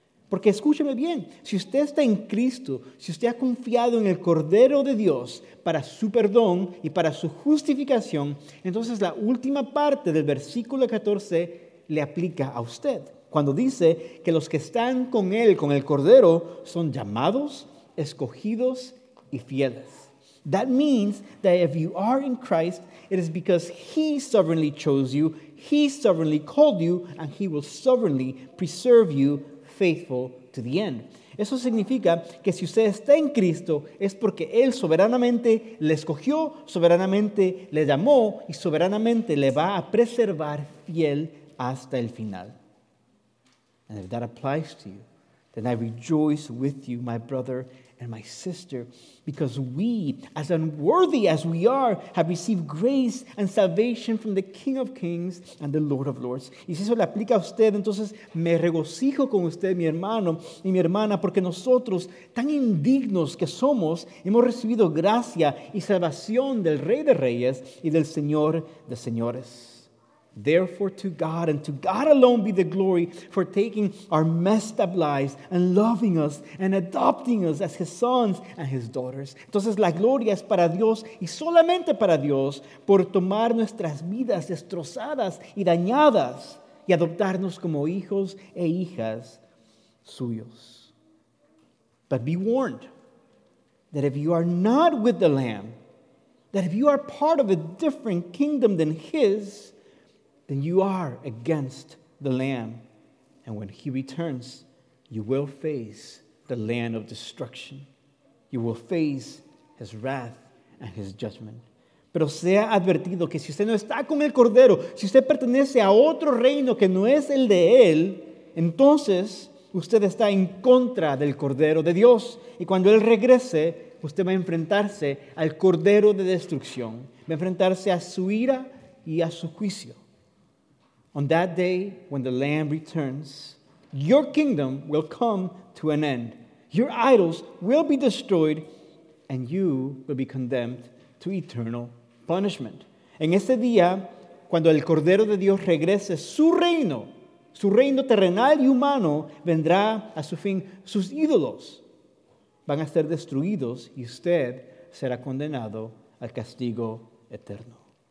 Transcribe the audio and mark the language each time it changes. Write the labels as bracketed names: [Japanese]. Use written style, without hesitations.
[Spanish] Porque escúcheme bien, si usted está en Cristo, si usted ha confiado en el Cordero de Dios para su perdón y para su justificación, entonces la última parte del versículo 14 le aplica a usted. Cuando dice que los que están con él, con el Cordero, son llamados, escogidos y fieles. [English] That means that if you are in Christ, it is because he sovereignly chose you, he sovereignly called you, and he will sovereignly preserve you faithful to the end. [Spanish] Eso significa que si usted está en Cristo, es porque él soberanamente le escogió, soberanamente le llamó, y soberanamente le va a preservar fiel hasta el final. [English] And if that applies to you, then I rejoice with you, my brother and my sister, because we, as unworthy as we are, have received grace and salvation from the King of Kings and the Lord of Lords. [Spanish] Y si eso le aplica a usted, entonces me regocijo con usted, mi hermano y mi hermana, porque nosotros, tan indignos que somos, hemos recibido gracia y salvación del Rey de Reyes y del Señor de Señores. [English] Therefore, to God and to God alone be the glory for taking our messed up lives and loving us and adopting us as his sons and his daughters. [Spanish] Entonces, la gloria es para Dios y solamente para Dios por tomar nuestras vidas destrozadas y dañadas y adoptarnos como hijos e hijas suyos. [English] But be warned that if you are not with the Lamb, that if you are part of a different kingdom than his, then you are against the Lamb. And when he returns, you will face the land of destruction. You will face his wrath and his judgment. [Spanish] Pero sea advertido que si usted no está con el Cordero, si usted pertenece a otro reino que no es el de él, entonces usted está en contra del Cordero de Dios. Y cuando él regrese, usted va a enfrentarse al Cordero de Destrucción. Va a enfrentarse a su ira y a su juicio. [English] On that day when the Lamb returns, your kingdom will come to an end. Your idols will be destroyed and you will be condemned to eternal punishment. [Spanish] En ese día, cuando el Cordero de Dios regrese, su reino terrenal y humano vendrá a su fin. Sus ídolos van a ser destruidos y usted será condenado al castigo eterno.